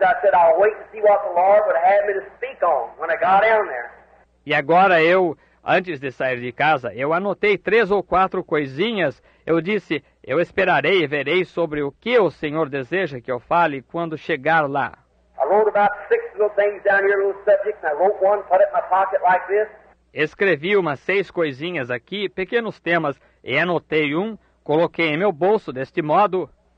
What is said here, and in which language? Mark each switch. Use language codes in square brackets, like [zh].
[en] I said I'll wait to see what the Lord would have me to speak on when I got down there. [pt] E agora eu, antes de sair de casa, eu anotei três ou quatro coisinhas. Eu disse, eu esperarei e verei sobre o que o Senhor deseja que eu fale quando chegar lá. [en] I wrote about six little things down here, little subjects, and I wrote one, put it in my pocket like this. [pt] Escrevi umas seis coisinhas aqui, pequenos temas, e anotei um, coloquei em meu bolso deste modo.